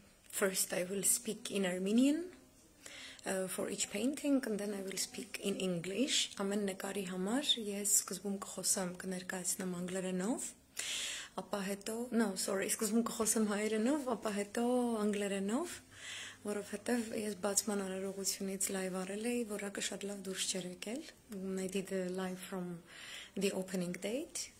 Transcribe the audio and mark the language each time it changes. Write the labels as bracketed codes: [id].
[en] First I will speak in Armenian for each painting, and then I will speak in English. [hy] Ամեն նկարի համար ես սկզբում կխոսեմ, կներկայացնեմ անգլերենով, ապա հետո, [en] no, sorry, [hy] սկզբում կխոսեմ հայերենով, ապա հետո անգլերենով, որովհետև ես բացման արարողությունից live արել էի, որակը շատ լավ դուրս չէր եկել. [en] I did the live from the opening date.